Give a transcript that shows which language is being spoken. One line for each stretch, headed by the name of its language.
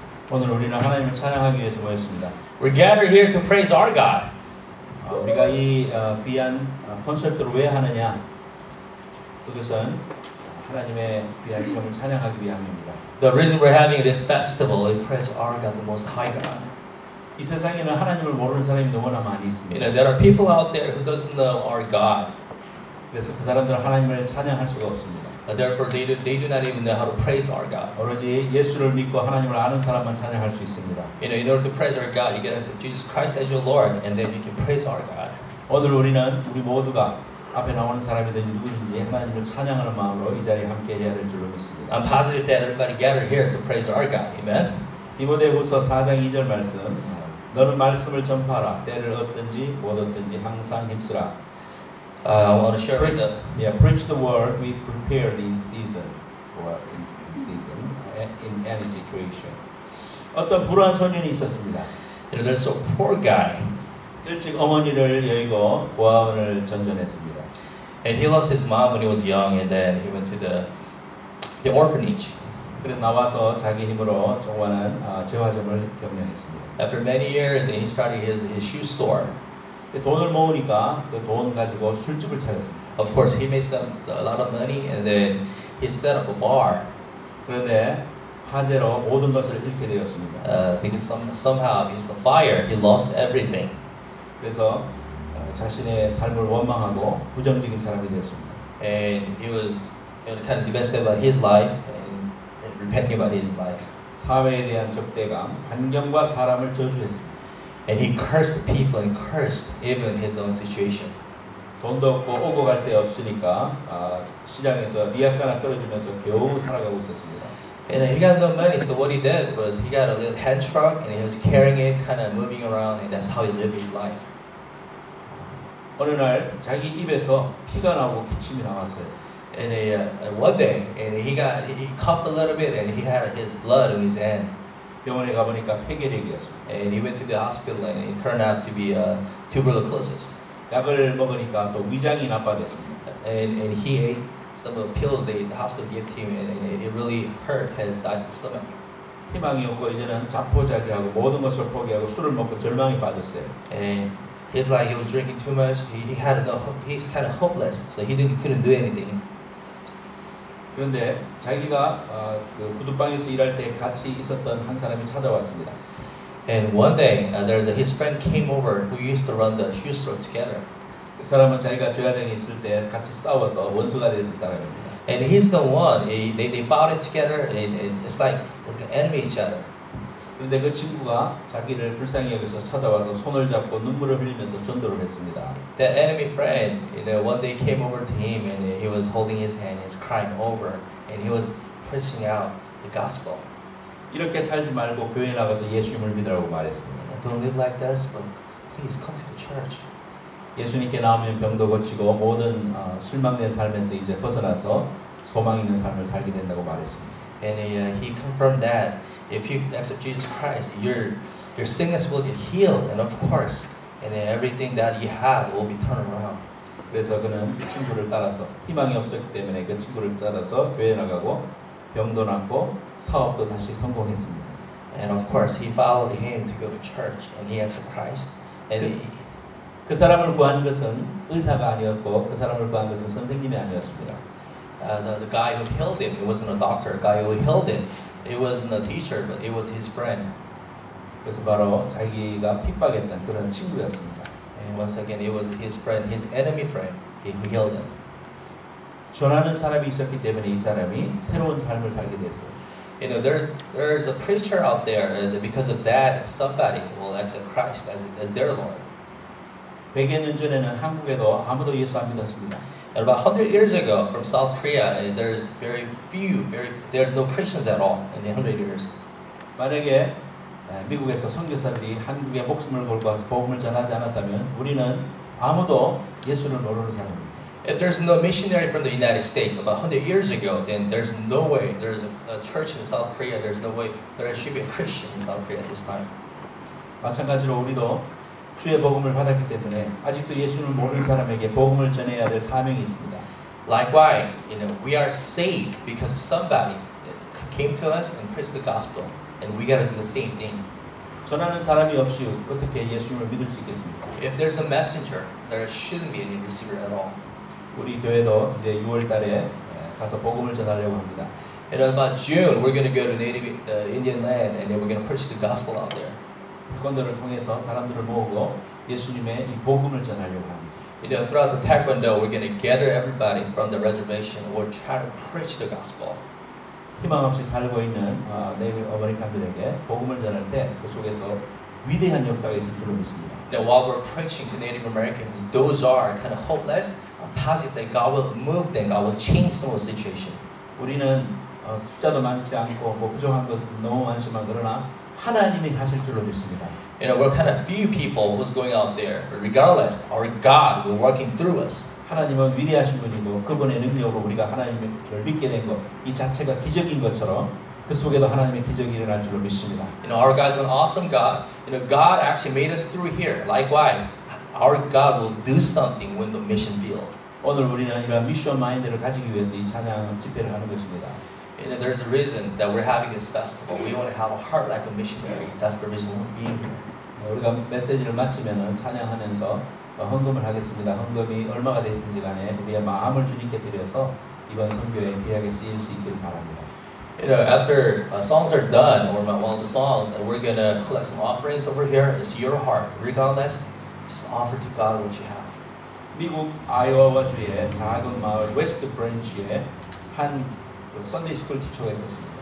Korean: 오늘 우리는 하나님을 찬양하기 위해서 모였습니다.
English: We're gathered here to praise our God.
Korean: 우리가 이 귀한 콘서트를 왜 하느냐? 그것은 하나님의 귀한 이름을 찬양하기 위함입니다.
English: The reason we're having this festival is to praise our God, the Most High God.
Korean: 이 세상에는 하나님을 모르는 사람이 너무나 많이 있습니다.
English: You know, there are people out there who doesn't know our God.
Korean: 그래서 그 사람들은 하나님을 찬양할 수가 없습니다.
English: Therefore, they do not even know how to praise our God.
Korean: 오로지 예수를 믿고 하나님을 아는 사람만 찬양할 수 있습니다.
English: You know, in order to praise our God, you get to accept Jesus Christ as your Lord, and then you can praise our God.
Korean: 오늘 우리는 우리 모두가 앞에 나오는 사람이든지 누구든지 하나님을 찬양하는 마음으로 이 자리에 함께 해야 될 줄로 믿습니다.
English: I'm positive that everybody gathered here to praise our God. Amen.
Korean: 디모데후서 4장 2절 말씀. 너는 말씀을 전파하라. 때를 얻든지 못 얻든지 항상 힘쓰라.
English: I want to share with the yeah, preach the word. We prepare in season, or in season, in any situation.
Korean: 어떤 불우한 소년이 있었습니다.
English: And there's a poor guy.
Korean: 일찍 어머니를 여의고 고아원을 전전했습니다.
English: And he lost his mom when he was young, and then he went to the orphanage.
Korean: 그래서 나와서 자기 힘으로 정원한 재화점을 경영했습니다.
English: After many years, he started his shoe store.
Korean: 돈을 모으니까 그 돈 가지고 술집을 차렸습니다.
English: Of course, he made some a lot of money, and then he set up a bar.
Korean: 그런데 화재로 모든 것을 잃게 되었습니다.
English: Because somehow, because of the fire, he lost everything.
Korean: 그래서 자신의 삶을 원망하고 부정적인 사람이 되었습니다.
English: And he was kind of depressed about his life and repenting about his life.
Korean: 사회에 대한 적대감, 환경과 사람을 저주했습니다.
English: And he cursed people and cursed even his own situation.
Korean: 돈도 없고 오고 갈 데 없으니까 시장에서 미약가나 떨어지면서 겨우 살아가고 있었습니다.
English: And he got no money, so what he did was he got a little hand truck and he was carrying it, kind of moving around, and that's how he lived his life.
Korean: 어느 날 자기 입에서 피가 나고 기침이 나왔어요.
English: And one day, and he coughed a little bit, and he had his blood in his hand.
Korean: 병원에 가보니까 폐결핵이었어요.
English: And he went to the hospital, and it turned out to be a tuberculosis.
Korean: 약을 먹으니까 또 위장이 나빠졌습니다.
English: And he ate some of the pills that the hospital gave to him, and it really hurt his stomach.
Korean: 희망이 없고 이제는 자포자기하고 모든 것을 포기하고 술을 먹고 절망에 빠졌어요.
English: He's like he was drinking too much. He had no hope. He's kind of hopeless, so he couldn't do anything.
Korean: 그런데 자기가 그 구두방에서 일할 때 같이 있었던 한 사람이 찾아왔습니다.
English: And one day, his friend came over who used to run the shoe store together.
Korean: 그 사람은 자기가 주야장에 있을 때 같이 싸워서 원수가 된 사람입니다.
English: And he's the one. They fought it together, and it's like an enemy each other.
Korean: 그런데 그 친구가 자기를 불쌍히 여기서 찾아와서 손을 잡고 눈물을 흘리면서 전도를 했습니다.
English: The enemy friend, one day came over to him and he was holding his hand, he's crying over, and he was preaching out the gospel.
Korean: 이렇게 살지 말고 교회 나가서 예수님을 믿으라고 말했습니다.
English: Don't live like this, but please come to the church.
Korean: 예수님께 나오면 병도 고치고 모든 실망된 삶에서 이제 벗어나서 소망 있는 삶을 살게 된다고 말했습니다.
English: And he confirmed that. If you accept Jesus Christ, your sickness will get healed, and of course, and everything that you have will be turned around.
Korean: 그래서 그는 그 친구를 따라서 희망이 없었기 때문에 그 친구를 따라서 교회 나가고 병도 낫고 사업도 다시 성공했습니다.
English: And of course, he followed him to go to church, and he accepted Christ. And
Korean: 그 사람을 구한 것은 의사가 아니었고 그 사람을 구한 것은 선생님이 아니었습니다.
English: The guy who healed him, it wasn't a doctor. The guy who healed him. It wasn't a teacher, but it was his friend.
Korean: 그래서 바로 자기가 핍박했던 그런 친구였습니다.
English: And once again, it was his friend, his enemy friend, who healed him.
Korean: 전하는 사람이 있었기 때문에 이 사람이 새로운 삶을 살게 됐어요.
English: You know, there's a preacher out there, and because of that, somebody will accept Christ as their Lord.
Korean: 100여 년 전에는 한국에도 아무도 예수 안 믿었습니다.
English: And about 100 years ago, from South Korea, there's very few, there's no Christians at all in the 100 years.
Korean: 만약에 미국에서 선교사들이 한국에 목숨을 걸고 와서 복음을 전하지 않았다면 우리는 아무도 예수를 모르는 사람입니다.
English: If there's no missionary from the United States about 100 years ago, then there's no way there's a church in South Korea, there's no way there should be a Christian in South Korea at this time.
Korean: 마찬가지로 우리도 주의 복음을 받았기 때문에 아직도 예수를 모르는 사람에게 복음을 전해야 될 사명이 있습니다.
English: Likewise, you know, we are saved because somebody came to us and preached the gospel, and we got to do the same thing.
Korean: 전하는 사람이 없이 어떻게 예수님을 믿을 수 있겠습니까?
English: If there's a messenger, there shouldn't be any receiver at all.
Korean: 우리 교회도 이제 6월 달에 가서 복음을 전하려고 합니다.
English: In about June, we're going to go to native Indian land and then we're going to preach the gospel out there.
Korean: 태권도를 통해서 사람들을 모으고 예수님의 이 복음을 전하려고 합니다.
English: You know, throughout the taekwondo, we're going to gather everybody from the reservation. We'll try to preach the gospel.
Korean: 희망 없이 살고 있는 내일 아메리칸들에게 복음을 전할 때 그 속에서 위대한 역사가 있을 줄 믿습니다.
English: Now, while we're preaching to Native Americans, those are kind of hopeless. I'm positive that God will move them. God will change some of the situation.
Korean: 우리는 숫자도 많지 않고 뭐 부족한 것 너무 많지만 그러나 하나님이 하실 줄로 믿습니다.
English: You know, we're kind of few people who's going out there. But regardless, our God will working through us.
Korean: 하나님은 위대하신 분이고 그분의 능력으로 우리가 하나님을 믿게 된 것 이 자체가 기적인 것처럼 그 속에도 하나님의 기적이 일어날 줄로 믿습니다.
English: You know, our God is an awesome God. You know, God actually made us through here. Likewise, our God will do something when the mission field.
Korean: 오늘 우리는 이런 미션 마인드를 가지기 위해서 이 찬양 집회를 하는 것입니다.
English: And there's a reason that we're having this festival. We want to have a heart like a missionary. That's the reason we're being here.
Korean: 우리가 메시지를 마치면은 찬양하면서 헌금을 하겠습니다. 헌금이 얼마가 됐든지 간에 우리의 마음을 주님께 드려서 이번 선교에 귀하게 쓰일 수 있기를 바랍니다.
English: You know, after songs are done, or one of the songs, and we're gonna collect some offerings over here. It's your heart, regardless. Just offer to God what you have.
Korean: 미국 아이오와 주의 작은 마을 웨스트 브랜치에 한
English: Sunday school teacher
Korean: 있었습니다.